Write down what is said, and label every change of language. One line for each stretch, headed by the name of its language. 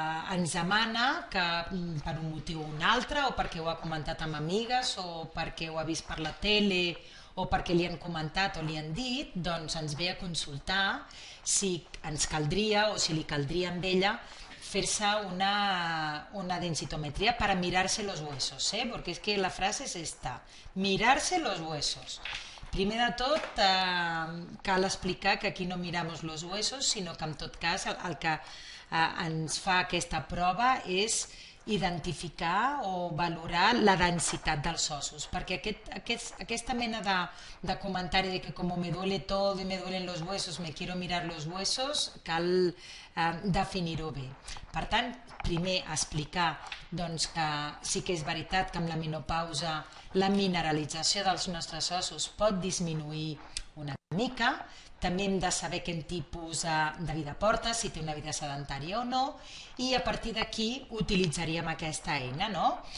Catalan: ens demana que per un motiu o un altre, o perquè ho ha comentat amb amigues, o perquè ho ha vist per la tele, o perquè li han comentat o li han dit, doncs ens ve a consultar si ens caldria o si li caldria amb ella fer-se una densitometria per mirar-se
Spanish: los huesos, ¿eh? Porque es que la frase es esta, mirar-se los huesos.
Catalan: Primer de tot, cal explicar que aquí
Spanish: no miramos los huesos,
Catalan: sinó que en tot cas el que ens fa aquesta prova és identificar o valorar la densitat dels ossos. Perquè aquesta mena de comentari de que
Spanish: como me duele todo y me duelen los huesos,
Catalan: me quiero mirar los huesos, cal definir-ho bé. Per tant, primer explicar doncs, que sí que és veritat que amb la menopausa la mineralització dels nostres ossos pot disminuir una mica. També hem de saber quin tipus de vida porta, si té una vida sedentària o no, i a partir d'aquí utilitzaríem aquesta eina, no?